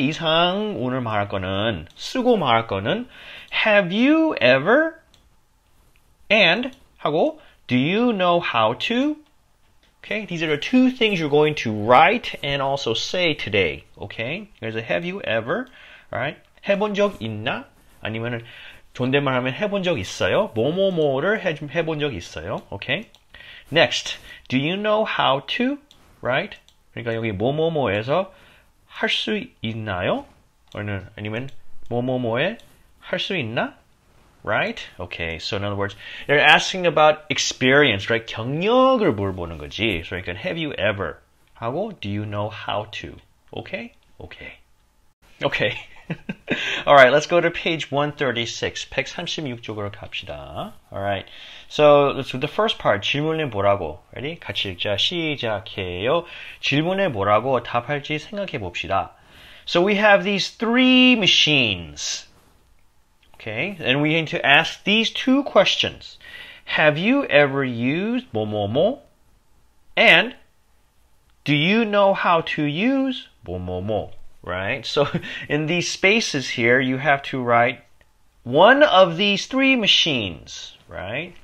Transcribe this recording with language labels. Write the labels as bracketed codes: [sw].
[ko] 이상 오늘 말할 거는, [en] 쓰고 말할 거는 have you ever and [ko] 하고 [en] do you know how to? Okay, these are the two things you're going to write and also say today, okay? 그래서 have you ever, alright? [ko] 해본 적 있나? 아니면 존댓말 하면 해본 적 있어요? 뭐뭐뭐를 해본 적 있어요, [en] okay? Next, do you know how to, right? [ko] 그러니까 여기 뭐뭐뭐에서 할 수 있나요? 아니면 뭐뭐뭐에 할 수 있나? [en] Right? Okay, so in other words, they're asking about experience, right? [ko] 경력을 물어보는 거지. [en] So you can, have you ever? 하고, do you know how to? Okay? Okay. Okay. Alright, let's go to page 136. [ko] 136쪽으로 갑시다. [en] Alright. So, let's do the first part. [ko] 질문에 뭐라고? [en] Ready? [ko] 같이 읽자. 시작해요. 질문에 뭐라고 답할지 생각해 봅시다. [en] So we have these three machines. Okay, and we need to ask these two questions. Have you ever used 뭐뭐뭐? And do you know how to use 뭐뭐뭐? Right? So in these spaces here, you have to write one of these three machines. Right?